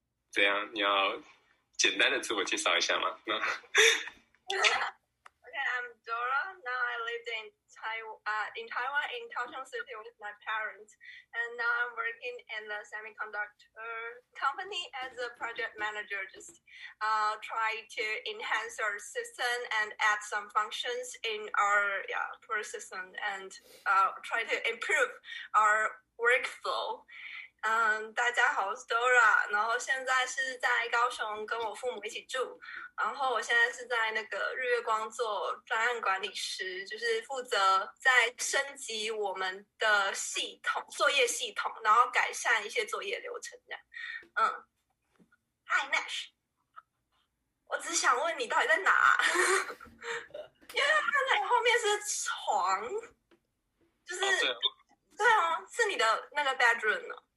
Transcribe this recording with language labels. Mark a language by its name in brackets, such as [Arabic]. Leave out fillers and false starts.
[Chinese] 怎样？你要简单的自我介绍一下吗？ [English] Okay, I'm Dora. Now I lived in Taiwan in Kaohsiung City with my parents, and now I'm working in the semiconductor company as a project manager. Just try to enhance our system and add some functions in our core system and try to improve our workflow. [Chinese] 大家好，我是Dora， 然后现在是在高雄跟我父母一起住，然后我现在是在那个日月光做专案管理师，就是负责在升级我们的系统作业系统，然后改善一些作业流程这样。嗯，Hi Nash， 我只想问你到底在哪， 因为看到你后面是床，就是，对啊，是你的那个 bedroom 呢？